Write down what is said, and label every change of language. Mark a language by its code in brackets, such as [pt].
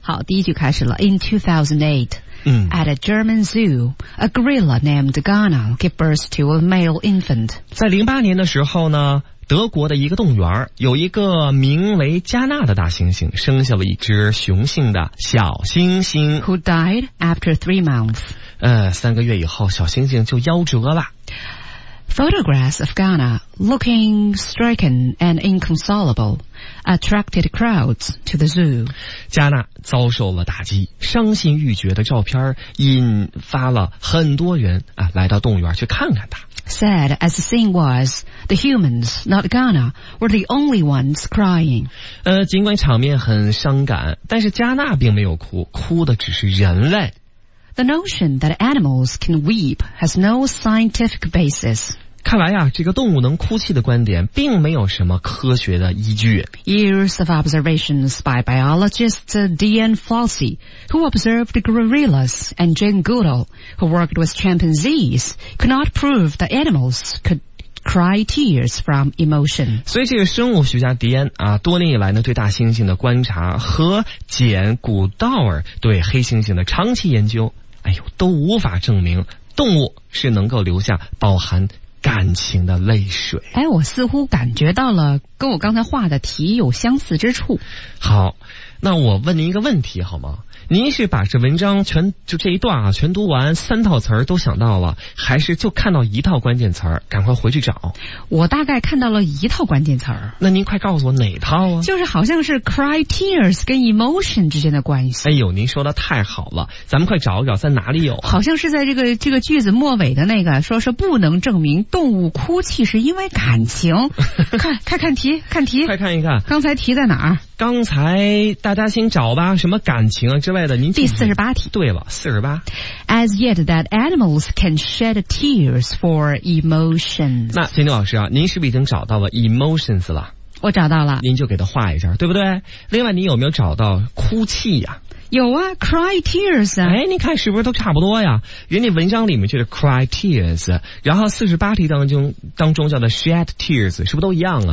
[zh] 好，第一句开始了。 [en] In 2008At a German zoo, a gorilla named Ghana gave birth to a male infant. [zh] 在08年的时候呢，德国的一个动物园有一个名为加纳的大猩猩生下了一只雄性的小猩猩。 [en] Who died after 3 months. [zh] 三个月以后小猩猩就夭折了。 [en] Photographs of Ghana looking stricken and inconsolable attracted crowds to the zoo. [zh] 加纳遭受了打击，伤心欲绝的照片引发了很多人啊来到动物园去看看他。 [en] Sad as the scene was, the humans, not Ghana, were the only ones crying. [zh] 尽管场面很伤感，但是加纳并没有哭，哭的只是人类。 [en] The notion that animals can weep has no scientific basis. [zh] 看来呀，这个动物能哭泣的观点并没有什么科学的依据。 [en] Years of observations by biologist Diane Fossey, who observed gorillas and Jane Goodall, who worked with chimpanzees, could not prove that animals could cry tears from emotion. [zh] 所以这个生物学家迪安啊，多年以来呢，对大猩猩的观察和简古道尔对黑猩猩的长期研究，哎呦，都无法证明动物是能够留下饱含感情的泪水。哎，我似乎感觉到了跟我刚才画的题有相似之处。好，那我问您一个问题好吗？您是把这文章全就这一段啊全读完，三套词儿都想到了，还是就看到一套关键词儿赶快回去找？我大概看到了一套关键词儿。那您快告诉我哪套啊？就是好像是 cry tears 跟 emotion 之间的关系。哎呦，您说的太好了，咱们快找一找在哪里有、啊、好像是在这个句子末尾的那个，说是不能证明动物哭泣是因为感情。看题快看一看刚才题在哪儿。刚才大家先找吧，什么感情啊之外的，您第48题。对了，48。 [en] As yet that animals can shed tears for emotions. [zh] 那秦牛老师啊，您是不是已经找到了 emotions 了？我找到了。您就给他画一下，对不对？另外您有没有找到哭泣呀、啊？有啊 ,cry tears 啊。哎，你看是不是都差不多呀，人家文章里面就是 cry tears, 然后48题当中叫做 shed tears, 是不是都一样啊，